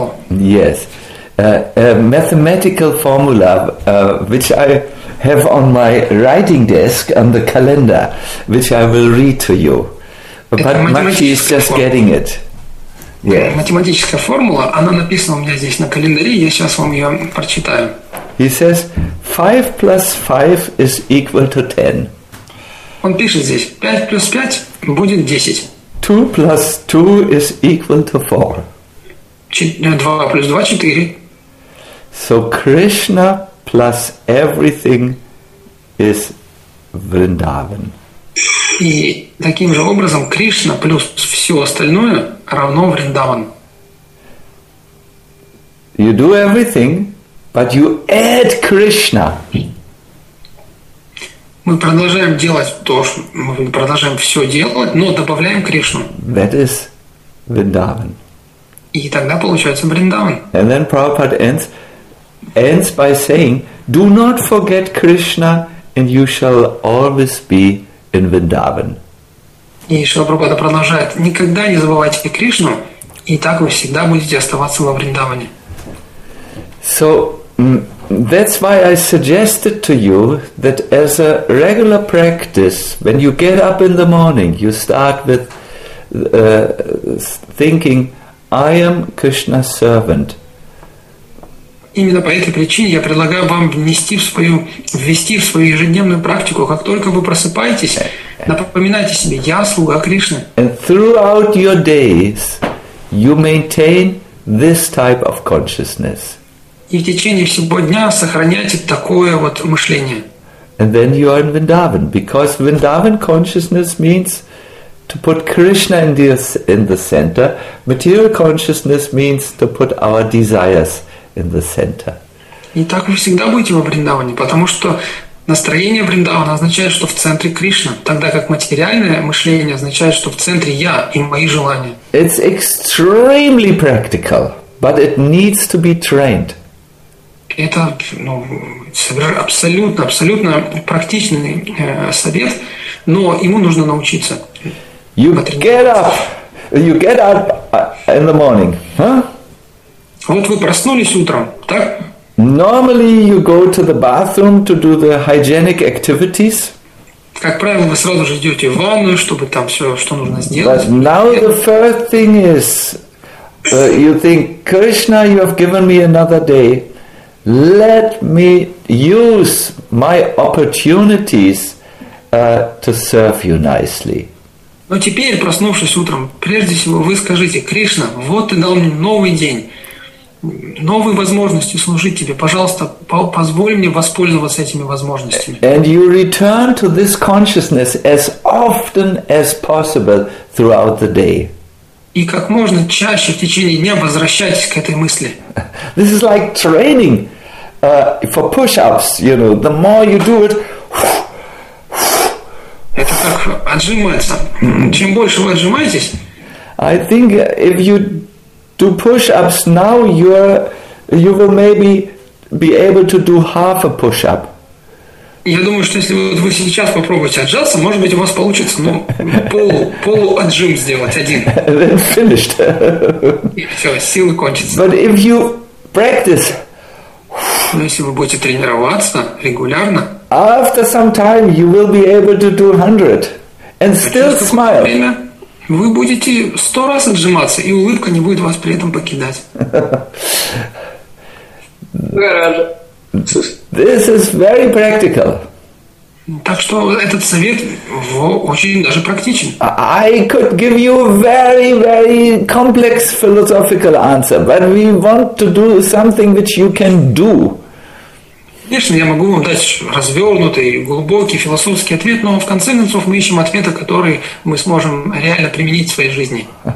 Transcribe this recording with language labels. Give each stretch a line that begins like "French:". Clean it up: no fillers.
English: Yes, a mathematical formula which I have on my writing desk on the calendar, which I will read to you. But Maxi is just getting it. Yeah.
Russian: Математическая формула, она написана у меня здесь на календаре, я сейчас вам ее прочитаю.
English: He says 5 plus 5 is equal to 10.
Russian: Он пишет здесь 5 плюс 5 будет 10.
English: 2 plus 2 is equal to 4.
Russian: 2 плюс 2 4.
English: So Krishna plus everything is Vrindavan.
Russian: И таким же образом Кришна плюс все остальное равно Вриндаван.
English: You do everything, but you add Krishna.
Russian: Мы продолжаем делать то, что мы продолжаем все делать, но добавляем Кришну.
English: That is Vrindavan.
Russian: И тогда получается Вриндаван.
English: And then Prabhupada ends by saying, "Do not forget Krishna, and you shall always be in Vrindavan."
Russian: И Шрила Прабхупада продолжает: никогда не забывайте Кришну, и так вы всегда будете оставаться во Вриндаване.
English: So that's why I suggested to you that as a regular practice, when you get up in the morning, you start with thinking, "I am Krishna's servant."
Russian: Именно по этой причине я предлагаю вам ввести в свою ежедневную практику, как только вы просыпаетесь, напоминайте себе: я слуга Кришны.
English: And throughout your days you maintain this type of consciousness.
Russian: И в течение всего дня сохраняйте такое вот мышление.
English: And then you are in Vrindavan, because Vrindavan consciousness means to put Krishna in the center. Material consciousness means to put our desires in the center.
Russian: И так вы всегда будете во Вриндаване, потому что настроение Вриндавана означает, что в центре Кришна, тогда как материальное мышление означает, что в центре я и мои желания.
English: It's extremely practical, but it needs to be trained.
Russian: Это абсолютно практичный совет, но ему нужно научиться.
English: You get up in the morning, huh?
Russian: Вот вы проснулись утром, так?
English: Normally you go to the bathroom to do the hygienic activities.
Russian: Как правило, вы сразу же идете в ванную, чтобы там все, что нужно сделать.
English: But now the first thing is, you think, Krishna, you have given me another day. Let me use my opportunities to serve you nicely.
Russian: Но теперь, проснувшись утром, прежде всего вы скажите: Кришна, вот ты дал мне новый день. Новые возможности служить тебе, пожалуйста, позволь мне воспользоваться этими возможностями.
English: And you return to this consciousness as often as possible throughout the day.
Russian: И как можно чаще в течение дня возвращайтесь к этой мысли.
English: This is like training for push-ups, you know. The more you do it,
Russian: это как отжиматься. Чем больше вы отжимаетесь,
English: I think if you do push-ups now, you will maybe be able to do half a push-up.
Russian: Я думаю, что если вы сейчас попробуете отжаться, может быть, у вас получится, ну, полуотжим сделать один.
English: Then finished.
Russian: Все, силы кончатся.
English: But if you practice,
Russian: но если вы будете тренироваться регулярно,
English: after some time you will be able to do 100 and still smile.
Russian: Вы будете 100 раз отжиматься, и улыбка не будет вас при этом покидать.
English: This is very practical.
Russian: Так что этот совет очень даже практичен.
English: I could give you a very, very complex philosophical answer, but we want to do something which you can do.
Russian: Конечно, я могу вам дать развернутый, глубокий, философский ответ, но в конце концов мы ищем ответы, которые мы сможем реально применить в своей жизни.